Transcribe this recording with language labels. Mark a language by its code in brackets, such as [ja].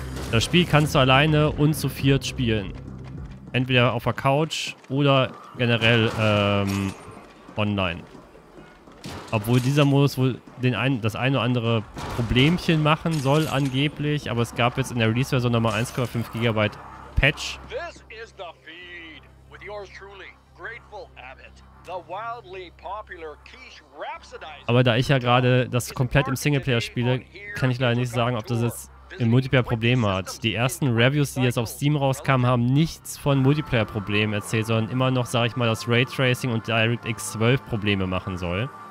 [de] Das Spiel kannst du alleine und zu viert spielen. Entweder auf der Couch oder generell, online. Obwohl dieser Modus wohl das ein oder andere Problemchen machen soll, angeblich. Aber es gab jetzt in der Release-Version nochmal 1,5 GB Patch. [en] This is the feed with yours truly, Grateful Abbott, the wildly popular Quiche Rhapsodizer. [de] Aber da ich ja gerade das komplett im Singleplayer spiele, kann ich leider nicht sagen, ob das jetzt im Multiplayer Probleme hat. Die ersten Reviews, die jetzt auf Steam rauskamen, haben nichts von Multiplayer-Problemen erzählt, sondern immer noch, sag ich mal, dass Raytracing und DirectX 12 Probleme machen soll.